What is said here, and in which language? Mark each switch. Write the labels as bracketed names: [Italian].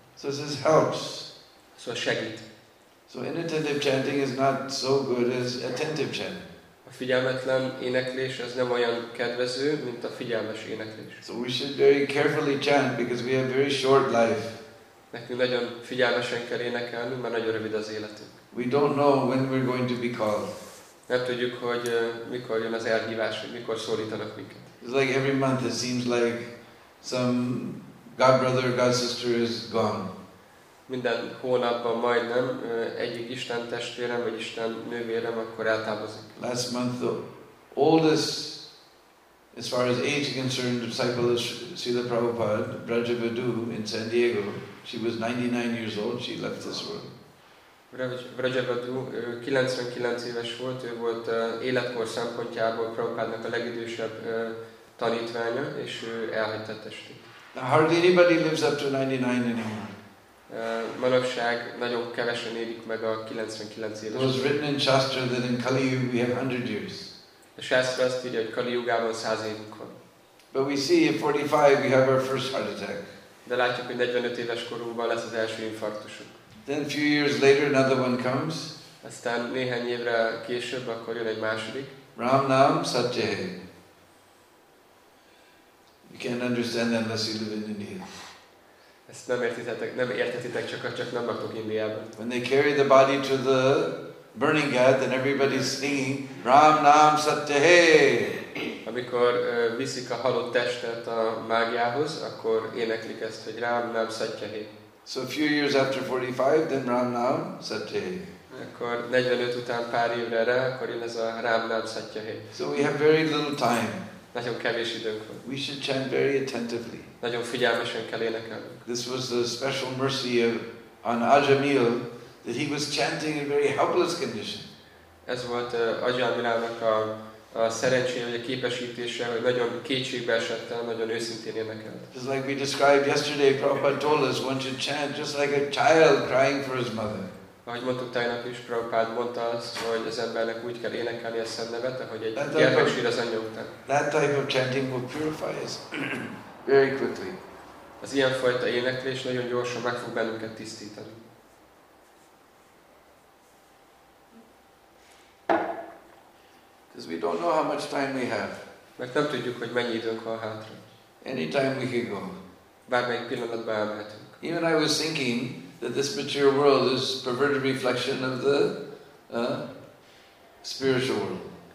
[English] So this helps. [Hungarian] Szóval segít. [English] So inattentive chanting is not so good as attentive chanting. [Hungarian] A figyelmetlen éneklés az nem olyan kedvező, mint a figyelmes éneklés. [English] So we should very carefully chant because we have very short life. [Hungarian] Nekünk nagyon figyelmesen kell énekelnünk, mert nagyon rövid az életünk. [English] We don't know when we're going to be called. [Hungarian] Nem tudjuk, hogy mikor jön az elhívás, hogy mikor szólítanak minket. [English] It's like every month it seems like some God brother, God sister is gone. [Hungarian] Minden hónapban majdnem egyik Isten testvérem vagy Isten nővérem akkor eltávozik. [English] Last month the oldest, as far as age is concerned, disciple of Srila Prabhupada, Braja Vidhu in San Diego, she was 99 years old, she left this world. [Hungarian] Braja Vidhu 99 éves volt, ő volt életkor szempontjából Prabhupádnak a legidősebb tanítványa, és ő elhagyta testét. [English] Hardly anybody lives up to 99 anymore. [Hungarian] Manapság nagyon kevesen érik meg a 99 éves. [English] It was written in Shastra that in Kali Yuga we have 100 years. [Hungarian] A Shastra azt írja, hogy Kali Yugában 100 évünk van. [English] But we see at 45 we have our first heart attack. [Hungarian] De látjuk, hogy 45 éves korunkban lesz az első infarktusunk. [English] Then a few years later another one comes. [Hungarian] Aztán néhány évre később akkor jön egy második. [Hindi] Ram Nam Satyahe. [English] You can't understand that unless you live in India. [Hungarian] Ezt nem értitek, nem értetitek, csak nem vagytok Indiában. [English] When they carry the body to the burning ghat, then everybody's singing [Hindi] Ram Nam Satyahe. [Hungarian] Amikor viszik a halott testet a mágiához, akkor éneklik ezt, hogy [Hindi] Ram Nam Satyahe. [English] So a few years after 45, then [Hindi] Ram Nam Satyahe. [Hungarian] Akkor 45 után pár évre rá, akkor jön ez a [Hindi] Ram Nam Satyahe. [English] So we have very little time. [Hungarian] Nagyon kevés időnk van. [English] We should chant very attentively. [Hungarian] Nagyon figyelmesen kell énekelnünk. [English] This was the special mercy of on Ajamil that he was chanting in very helpless condition. [Hungarian] Ez volt Ajamilának a szerencséje vagy a képesítése, hogy nagyon kétségbe esettel, nagyon őszintén énekelt. [English] Just like we described yesterday, Prabhupada told us one should chant just like a child crying for his mother. [Hungarian] Ahogy mondtuk tegnap is, Prabhupada mondta azt, hogy az embernek úgy kell énekelni a Szent Nevet, ahogy egy gyermek sír az anyja után. [English] That type of chanting will purify us very quickly. [Hungarian] Az ilyen fajta éneklés nagyon gyorsan meg fog bennünket tisztítani. [English] Because we don't know how much time we have. [Hungarian] Mert nem tudjuk, hogy mennyi időnk van hátra. [English] Anytime we can go. [Hungarian] Bármelyik pillanatban elmehetünk. [English] Even I was thinking that this material world is perverted reflection of the spiritual world.